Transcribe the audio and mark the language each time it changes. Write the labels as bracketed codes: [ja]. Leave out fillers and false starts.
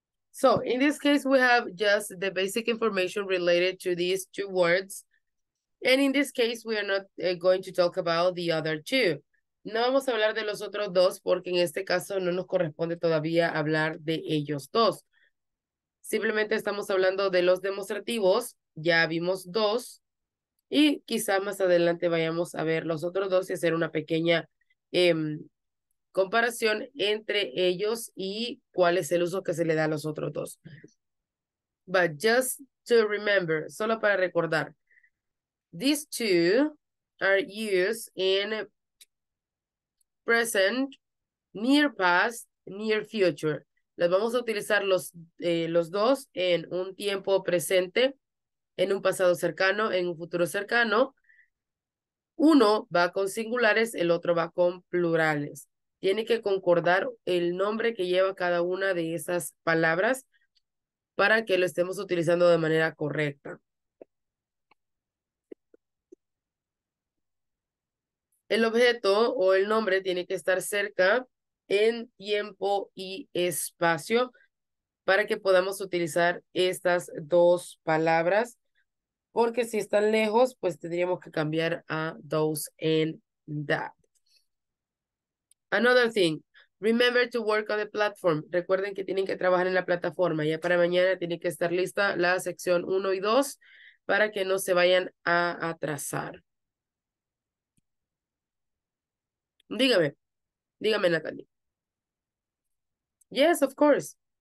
[en] So, in this case, we have just the basic information related to these two words. And in this case, we are not going to talk about the other two. [es] No vamos a hablar de los otros dos porque en este caso no nos corresponde todavía hablar de ellos dos. Simplemente estamos hablando de los demostrativos. Ya vimos dos. Y quizá más adelante vayamos a ver los otros dos y hacer una pequeña comparación entre ellos y cuál es el uso que se le da a los otros dos. [en] But just to remember, [es] solo para recordar. [en] These two are used in present, near past, near future. [es] Las vamos a utilizar los dos en un tiempo presente, en un pasado cercano, en un futuro cercano. Uno va con singulares, el otro va con plurales. Tiene que concordar el nombre que lleva cada una de esas palabras para que lo estemos utilizando de manera correcta. El objeto o el nombre tiene que estar cerca en tiempo y espacio para que podamos utilizar estas dos palabras, porque si están lejos, pues tendríamos que cambiar a those and that. [en] Another thing, remember to work on the platform. [es] Recuerden que tienen que trabajar en la plataforma. Ya para mañana tiene que estar lista la sección 1 y 2 para que no se vayan a atrasar. Dígame, dígame, Natalie. [en] Yes, of course.